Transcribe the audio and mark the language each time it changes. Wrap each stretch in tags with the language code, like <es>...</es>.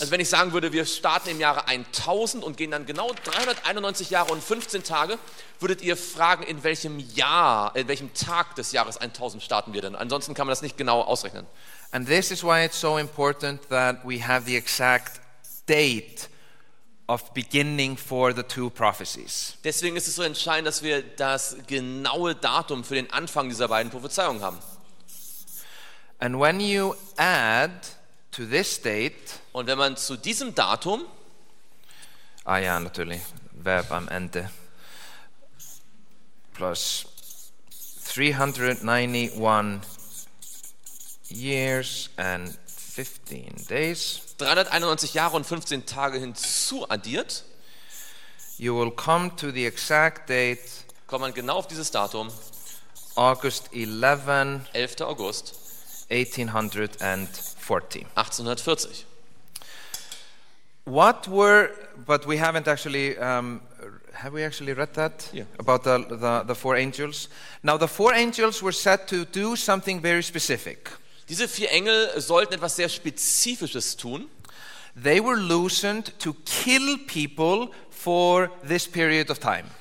<de>Also wenn ich sagen würde, wir starten im Jahre 1000 und gehen dann genau 391 Jahre und 15 Tage, würdet ihr fragen, in welchem Jahr, in welchem Tag des Jahres 1000 starten wir denn? Ansonsten kann man das nicht genau ausrechnen.</de> <en>And this is why it's so important that we have the exact date of beginning for the two prophecies.</en> <de>Deswegen ist es so entscheidend, dass wir das genaue Datum für den Anfang dieser beiden Prophezeiungen haben.</de> <en>And when you add to this date,</en> <de>und wenn man zu diesem Datum, ah ja, natürlich, Verb am Ende, plus</de> <en>391 years and 15 days,</en> <de>391 Jahre und 15 Tage hinzuaddiert,</de> <en>you will come to the exact date,</en> <de>kommt man genau auf dieses Datum,</de> <en>August 11,</en> <de>11. August</de> <en>1840.</en> <de>1840.</de> <en>What were, but we haven't actually, have we actually read that? Yeah. About the four angels? Now the four angels were said to do something very specific.</en> <de>Diese vier Engel sollten etwas sehr Spezifisches tun.</de> <en>They were loosened to kill people for this period of time.</en>